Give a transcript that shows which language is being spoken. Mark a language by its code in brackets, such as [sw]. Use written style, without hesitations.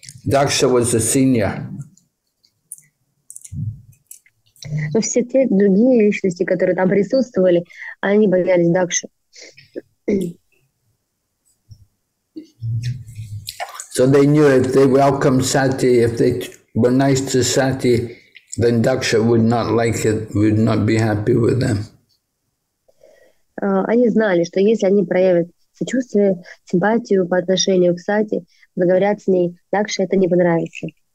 [en] Daksha was the senior. [ru] Но все те другие личности, которые там присутствовали, они боялись Дакши. [en] So they knew if they welcomed Sati, if they were nice to Sati, then Daksha would not like it, would not be happy with them. [ru] Они знали, что если они проявят сочувствие, симпатию по отношению к Сати, заговорят с ней, Дакши это не понравится.